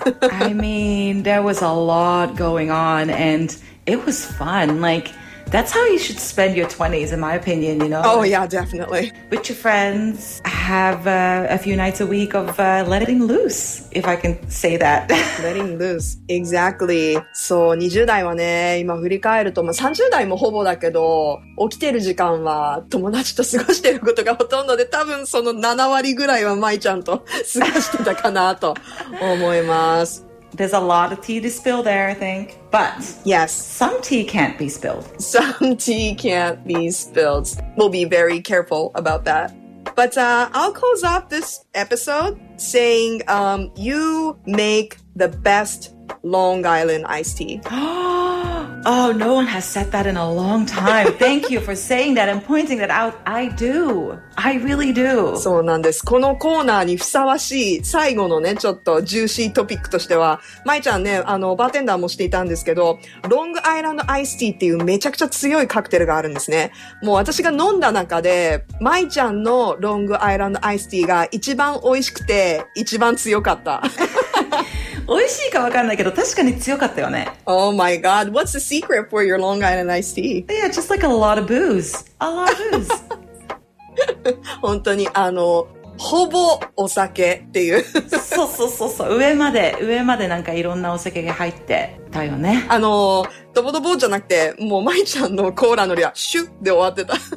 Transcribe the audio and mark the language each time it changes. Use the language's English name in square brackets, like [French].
[English] I mean, there was a lot going on and it was fun. Like, That's how you should spend your 20s, in my opinion, you know? Oh, yeah, definitely. With your friends, have a few nights a week of letting loose, if I can say that. Letting loose. Exactly. [Japanese] So, 20代はね、今振り返ると、まあ、30代もほぼだけど、起きてる時間は友達と過ごしてることがほとんどで、多分その7割ぐらいは舞ちゃんと過ごしてたかなと思います。 [English] There's a lot of tea to spill there, I think. But yes, some tea can't be spilled. Some tea can't be spilled. We'll be very careful about that. But I'll close off this episode saying you make the best Long Island iced tea. Oh, no one has said that in a long time. Thank you for saying that and pointing that out. I do. I really do. [Japanese] そうなんです。このコーナーにふさわしい最後のね、ちょっとジューシートピックとしては、まいちゃんね、バーテンダーもしていたんですけど、ロングアイランドアイスティーっていうめちゃくちゃ強いカクテルがあるんですね。もう私が飲んだ中で、まいちゃんのロングアイランドアイスティーが一番美味しくて、一番強かった。美味しいか分かんないけど、確かに強かったよね。 [English] Oh my god, what's the secret for your Long Island iced tea? Yeah, just like a lot of booze. A lot of booze. [Japanese] 本当に、ほぼお酒っていう。そう。上までなんかいろんなお酒が入ってたよね。ドボドボじゃなくて、もう舞ちゃんのコーラの量、シュッで終わってた。